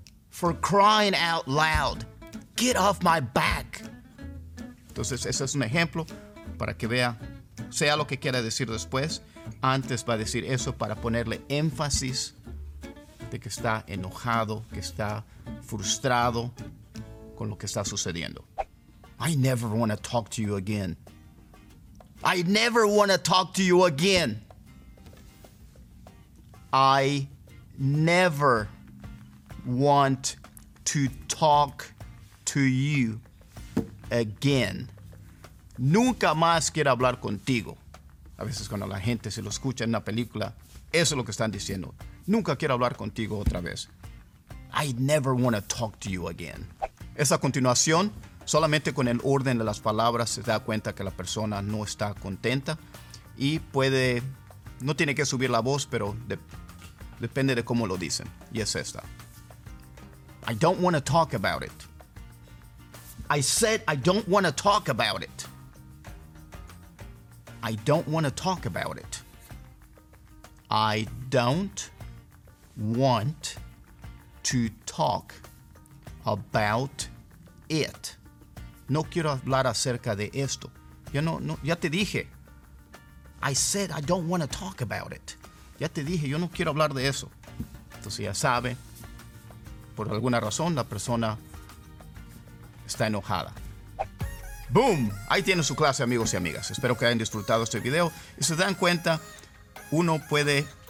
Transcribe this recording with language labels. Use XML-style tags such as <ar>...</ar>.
<en>For crying out loud, get off my back.</en> <es>Entonces, ese es un ejemplo para que vea, sea lo que quiera decir después, antes va a decir eso para ponerle énfasis de que está enojado, que está frustrado con lo que está sucediendo.</es> <en>I never want to talk to you again. I never want to talk to you again. I never want to talk to you again.</en> <es>Nunca más quiero hablar contigo. A veces cuando la gente se lo escucha en una película, eso es lo que están diciendo. Nunca quiero hablar contigo otra vez.</es> <en>I never want to talk to you again.</en> <es>Esa continuación, solamente con el orden de las palabras se da cuenta que la persona no está contenta y puede, no tiene que subir la voz, pero depende de cómo lo dicen. Y es esta.</es> <en>I don't want to talk about it. I said I don't want to talk about it. I don't want to talk about it. I don't want to talk about it.</en> <es>No quiero hablar acerca de esto. Ya te dije.</es> <en>I said I don't want to talk about it.</en> <es>Ya te dije, yo no quiero hablar de eso. Entonces ya sabe, por alguna razón, la persona está enojada. ¡Boom! Ahí tiene su clase, amigos y amigas. Espero que hayan disfrutado este video. Y se dan cuenta, uno puede...</es>